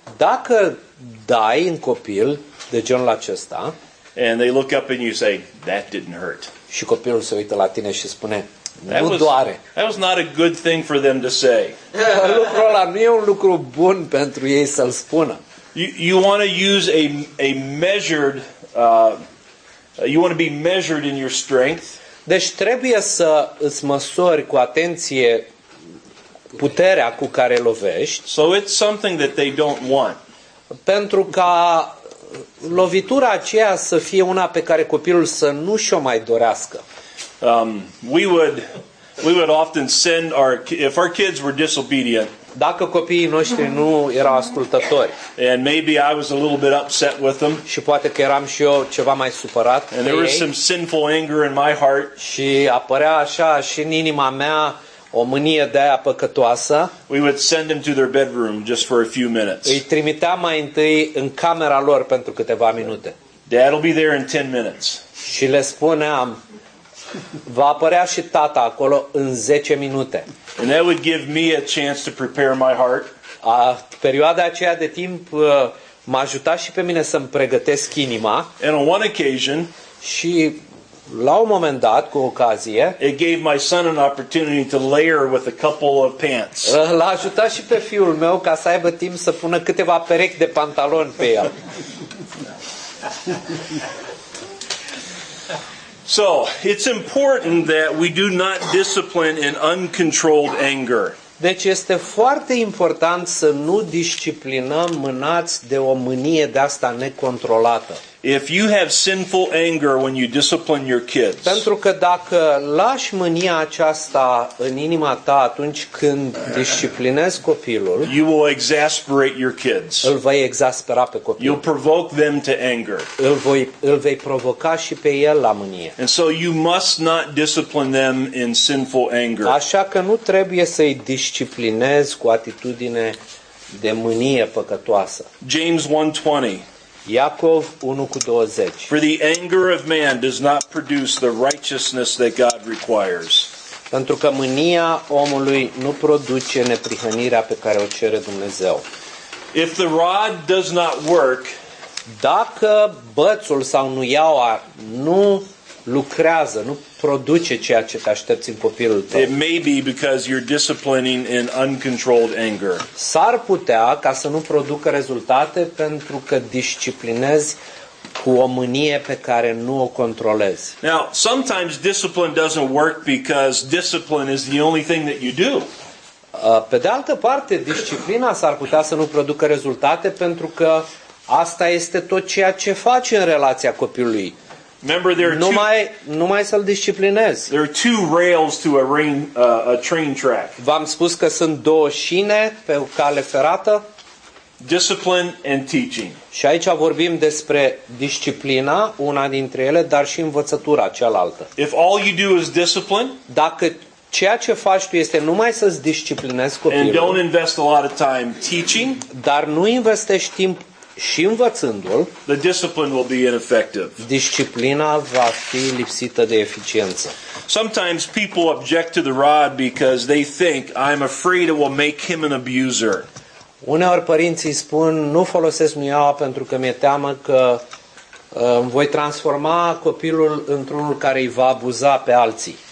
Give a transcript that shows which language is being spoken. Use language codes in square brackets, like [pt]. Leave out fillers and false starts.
[ro] dacă dai un copil de genul acesta, [en] and they look up and you say, that didn't hurt. [ro] Și copilul se uită la tine și spune, nu doare. [en] That was not a good thing for them to say. [ro] Lucrul ăla nu e un lucru bun pentru ei să-l spună. [en] You want to use a measured you want to be measured in your strength. [ro] Deci trebuie să îți măsori cu atenție puterea cu care lovești. [en] So it's something that they don't want. [ro] Pentru ca lovitura aceea să fie una pe care copilul să nu și-o mai dorească. [en] We would often send our if our kids were disobedient. [ro] Dacă copiii noștri nu erau ascultători. [en] And maybe I was a little bit upset with them. [ro] Și poate că eram și eu ceva mai supărat. [en] And there was some sinful anger in my heart. [ro] Și apărea așa și în inima mea o mânie de aia păcătoasă. [en] We would send them to their bedroom just for a few minutes. [ro] Îi trimiteam mai întâi în camera lor pentru câteva minute. [en] Dad'll be there in 10 minutes. [ro] Și le spuneam, va apărea și tata acolo în 10 minute. [en] And that would give me a chance to prepare my heart. [ro] Perioada aceea de timp m-a ajutat și pe mine să-mi pregătesc inima. [en] And on one occasion, [ro] și la un moment dat, cu ocazie, [en] it gave my son an opportunity to layer with a couple of pants. [ro] L-a ajutat și pe fiul meu ca să aibă timp să pună câteva perechi de pantaloni pe el. [en] So, it's important that we do not discipline in uncontrolled anger. [ro] Deci este foarte important să nu disciplinăm mânați de o mânie de asta necontrolată. [en] If you have sinful anger when you discipline your kids. [ro] Pentru că dacă lași mânia aceasta în inima ta atunci când disciplinezi copilul, [en] you will exasperate your kids. [ro] Îl vei exaspera pe copil. [en] You'll provoke them to anger. [ro] Îl vei provoca și pe el la mânie. [en] And so you must not discipline them in sinful anger. [ro] Așa că nu trebuie să îi disciplinezi cu atitudine de mânie păcătoasă. [en] James 1:20. [ro] Iacov 1:20. [en] For the anger of man does not produce the righteousness that God requires. [ro] Pentru că mânia omului nu produce neprihănirea pe care o cere Dumnezeu. [en] If the rod does not work, [ro] dacă bățul sau nuiaua nu lucrează, nu produce ceea ce te aștepți în copilul tău. [en] It may be because you're disciplining in uncontrolled anger. [ro] S-ar putea ca să nu producă rezultate pentru că disciplinezi cu o mânie pe care nu o controlezi. [en] Now, sometimes discipline doesn't work because discipline is the only thing that you do. [ro] Pe de altă parte, disciplina s-ar putea să nu producă rezultate pentru că asta este tot ceea ce faci în relația copilului. [en] Remember, there are [ro] numai să-l disciplinezi. [en] There are two rails to a train track. [ro] V-am spus că sunt două șine pe o cale ferată. [en] Discipline and teaching. [ro] Și aici vorbim despre disciplina, una dintre ele, dar și învățătura cealaltă. [en] If all you do is discipline, [ro] dacă ceea ce faci tu este numai să-ți disciplinezi copilul, [en] and don't invest a lot of time teaching, [ro] dar nu investești timp și învățându-l, [en] the discipline will be ineffective. [ro] Disciplina va fi lipsită de eficiență. [en] Sometimes people object to the rod because they think I'm afraid it will make him an abuser. [ro] Uneori părinții spun nu folosesc nuiaua pentru că mi-e teamă că voi transforma copilul într-unul care îi va abuza pe alții.